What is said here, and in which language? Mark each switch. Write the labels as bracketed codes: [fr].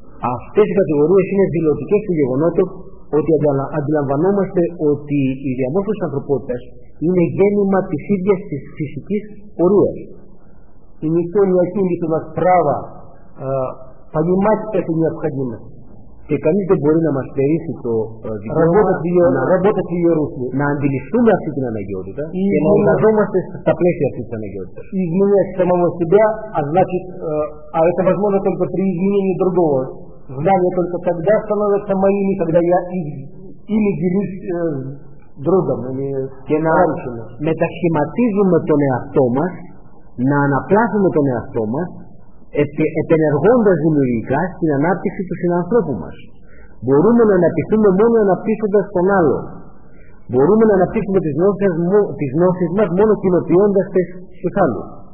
[ru] А в этой категории есть дилетантские феномены, [el] ότι αντιλαμβανόμαστε ότι η διαμόρφωση της ανθρωπότητας είναι γέννημα της ίδιας της φυσικής πορείας. [ru] И никто не отнимет у нас право понимать эту необходимость. [el] Και κανείς δεν μπορεί να μας περίσει το δικαίωμα να αντιληφθούμε αυτή την αναγκαιότητα και να εργαζόμαστε στα πλαίσια αυτής της αναγκαιότητας. [ru] Η изменение самого себя, а значит, а это возможно только при изменении другого. Знание только тогда становится моими, когда я ими делюсь другом. [el] Και να μετασχηματίζουμε τον εαυτό μας, να αναπλάσουμε τον εαυτό μας, επενεργώντας δημιουργικά στην ανάπτυξη του συνανθρώπου μας. Μπορούμε να αναπτυχθούμε μόνο αναπτύσσοντας τον άλλο. Μπορούμε να αναπτύξουμε τις γνώσεις μας μόνο κοινοποιώντας τις στους άλλους.